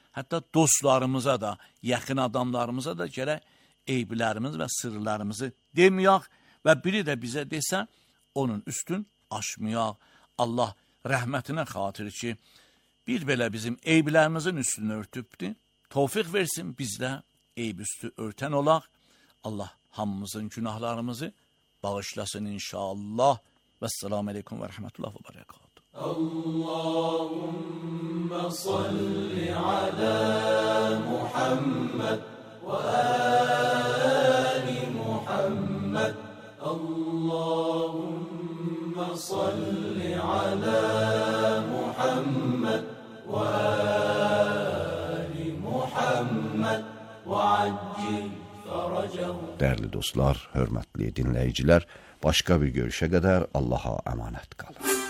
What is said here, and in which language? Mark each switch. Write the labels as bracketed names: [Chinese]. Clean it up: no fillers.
[Azerbaijani] Hətta dostlarımıza da, yaxın adamlarımıza da gərək eybilərimiz və sırrılarımızı deməyək və biri də bizə desə, onun üstün aşmayaq, Allah rəhmətinə xatir ki, bir belə bizim eyblərimizin üstünü örtübdü, tovfiq versin biz də eyb üstü örtən olaq, Allah hamımızın günahlarımızı bağışlasın inşallah. [Arabic] Və səlamu aleykum və rəhmətullah və bərəkatuhu. Allahümme salli alə Muhammed və ali Muhammed. Allahümme صل على محمد وآل محمد وعجل فرجه. [Azerbaijani] Dəyərli dostlar, hörmətli dinləyicilər, başqa bir görüşə qədər Allaha əmanət qalın.